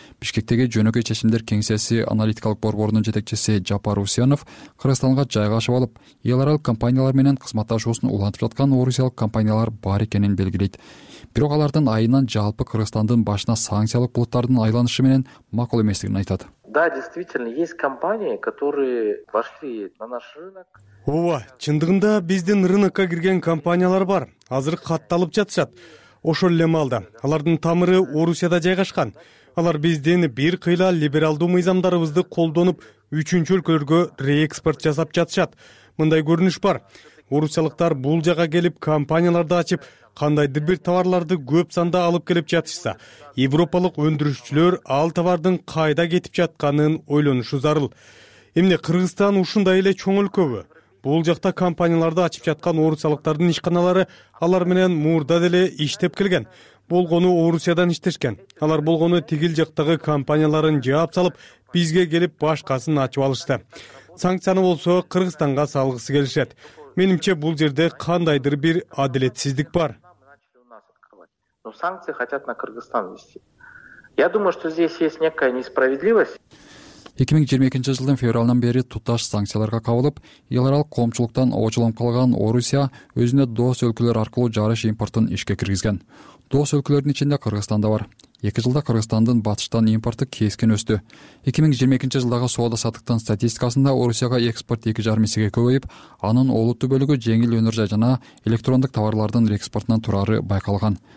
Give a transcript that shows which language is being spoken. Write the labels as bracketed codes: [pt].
[ky] Бишкектеги жөнөкөй чечимдер кеңсеси аналитикалык борборунун жетекчиси Жапар Усянов Кыргызстанга жайгашып алып, эл аралык компаниялар менен кызматташуусун улантып жаткан орусиялык компаниялар бар экенин белгилейт. Бирок алардын айынан жалпы Кыргызстандын башына санкциялык булуттардын айланышы менен макул эместигин айтат. [ru] Да, действительно, есть компании, которые вошли на наш рынок. [ky] Ооба, чындыгында биздин рынокко кирген компаниялар бар. Азыр катталып жатышат. Ошол эле маалда. Алардын тамыры Орусияда жайгашкан. Алар биздин бир кыйла либералдуу мыйзамдарыбызды колдонуп, үчүнчү өлкөлөргө реэкспорт жасап жатышат. Мындай көрүнүш бар. Орусиялыктар бул жага келип, компанияларды ачып, кандайдыр бир товарларды көп санда алып келип жатышса, европалык өндүрүүчүлөр ал товардын кайда кетип жатканын ойлонушу зарыл. Эмне Кыргызстан ушундай эле чоң өлкөбү? Бул жакта компанияларды ачып жаткан орусиялыктардын ишканалары алар менен мурда деле иштеп келген. Болгону Орусиядан иштешкен. Алар болгону тигил жактагы компанияларын жаап салып, бизге келип башкасын ачып алышты. Санкцияны болсо Кыргызстанга салгысы келишет. Менимче бул жерде кандайдыр бир адилетсиздик бар. [ru] Но санкции хотят на Кыргызстан ввести. Я думаю, что здесь есть некая несправедливость. [ky] 2022 жылдын февралынан бери туташ санкцияларга кабылып, эл аралык коомчулуктан очолонуп калган Орусия өзүнө дос өлкөлөр аркылуу жарыш импортун ишке киргизген. Дос өлкөлөрдүн ичинде Кыргызстан да бар. 2 жылда Кыргызстандын батыштан импорту кескин өстү. 2022 жылдагы соода саттыктын статистикасында Орусияга экспорт 2,5 эсеге көбөйүп, анын олуттуу бөлүгү жеңил өнөр жай жана электрондук товарлардын экспортунан турары байкалган.